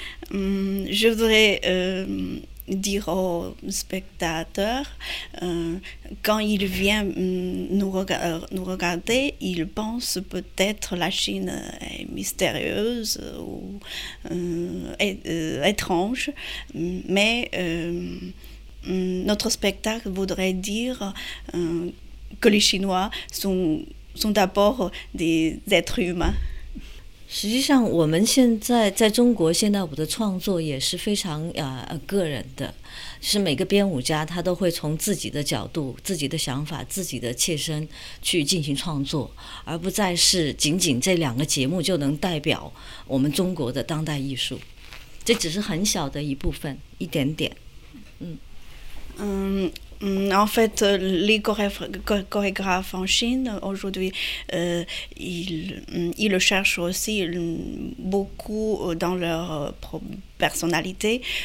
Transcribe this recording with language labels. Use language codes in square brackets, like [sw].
[fr] Je voudrais dire aux spectateurs, quand ils viennent nous regarder, ils pensent peut-être la Chine est mystérieuse ou étrange, mais notre spectacle voudrait dire que les Chinois sont d'abord des êtres humains. [zh] 实际上我们现在在中国现代舞的创作也是非常个人的，就是每个编舞家他都会从自己的角度、自己的想法、自己的切身去进行创作，而不再是仅仅这两个节目就能代表我们中国的当代艺术，这只是很小的一部分，一点点。 [fr] En fait, les chorégraphes en Chine aujourd'hui, ils cherchent aussi beaucoup dans leur personnalité.